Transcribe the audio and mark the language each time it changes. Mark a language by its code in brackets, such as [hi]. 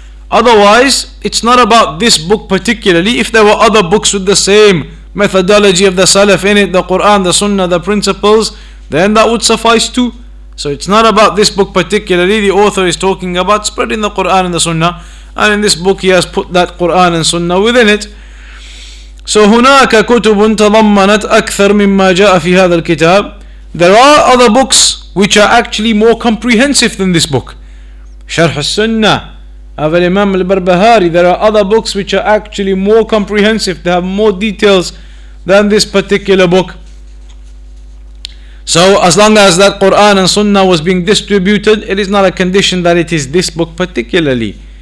[en] Otherwise, it's not about this book particularly. If there were other books with the same methodology of the Salaf in it, the Quran, the Sunnah, the principles, then that would suffice too. So it's not about this book particularly. The author is talking about spreading the Quran and the Sunnah. And in this book, he has put that Quran and Sunnah within it. [ar] So, هناك كتب تضمنت أكثر مما جاء في هذا الكتاب. [en] There are other books which are actually more comprehensive than this book. شرح السنة of Imam al-Barbahari, there are other books which are actually more comprehensive, they have more details than this particular book. So as long as that Quran and Sunnah was being distributed, it is not a condition that it is this book particularly.